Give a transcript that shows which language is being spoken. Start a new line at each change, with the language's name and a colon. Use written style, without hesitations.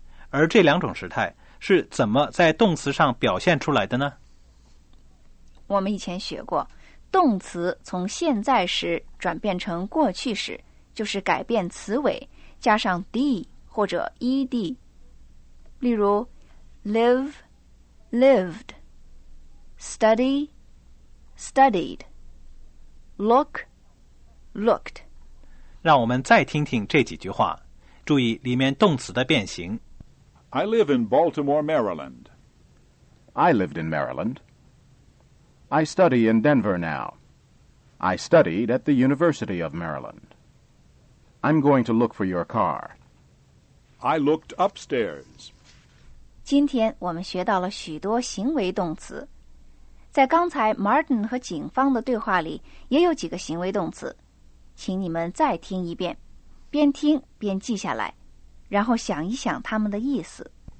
Chinese: 而这两种时态是怎么在动词上表现出来的呢？我们以前学过，动词从现在时转变成过去时，就是改变词尾，加上 d 或者 ed。例如
English: live, lived, study, studied, look, looked.
Chinese: 让我们再听听这几句话，注意里面动词的变形。
English: I live in Baltimore, Maryland. I lived in Maryland. I study in Denver now. I studied at the University of Maryland. I'm going to look for your car. I looked upstairs.
Chinese: 今天我们学到了许多行为动词，在刚才 Martin 和警方的对话里也有几个行为动词，请你们再听一遍，边听边记下来，然后想一想他们的意思。